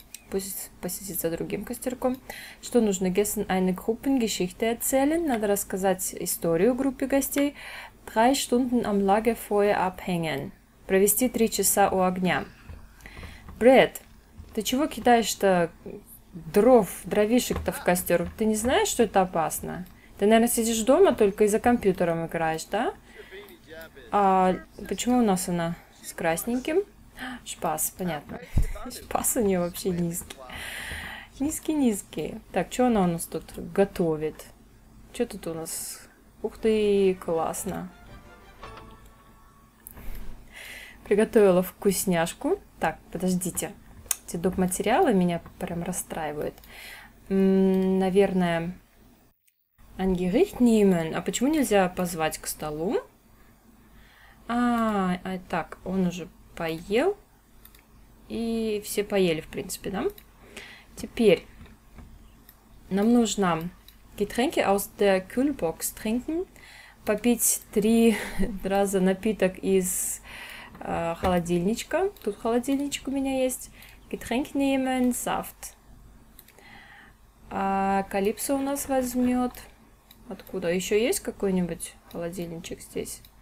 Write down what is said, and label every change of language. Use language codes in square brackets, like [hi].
[ru] Пусть посидит за другим костерком. Что нужно? [de] Gestern eine Gruppengeschichte erzählen. [ru] Надо рассказать историю группе гостей. [de] 3 Stunden am Lagerfeuer abhängen. [ru] Провести 3 часа у огня. Брэд, ты чего кидаешь-то дровишек-то в костер? Ты не знаешь, что это опасно? Ты, наверное, сидишь дома только и за компьютером играешь, да? А почему у нас она с красненьким. Шпас, понятно. Шпас у нее вообще низкий. Низкий-низкий. Так, что она у нас тут готовит? Что тут у нас? Ух ты, классно. Приготовила вкусняшку. Так, подождите. Эти доп. Материалы меня прям расстраивают. Наверное, Ангерихт Нимен. А почему нельзя позвать к столу? Так, он уже поел. И все поели, в принципе, да? Теперь нам нужно [de] Getränke aus der Kühlbox trinken. [ru] Попить 3 раза напиток из холодильничка. Тут холодильничек у меня есть. [de] Getränk nehmen, Saft. [ru] А Калипсо у нас возьмет. Откуда? Еще есть какой-нибудь холодильничек здесь?